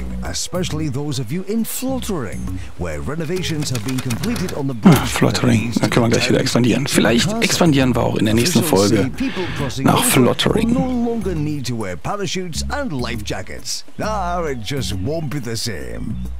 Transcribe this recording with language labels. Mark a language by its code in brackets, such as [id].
[en] Especially those of you in Fluttering, where renovations have been completed on the bridge. [de] Ah, Fluttering, da können wir gleich wieder expandieren. Vielleicht expandieren wir auch in der nächsten Folge nach Fluttering. [en] No longer need to wear parachutes and life jackets. Ah, it just won't be the same.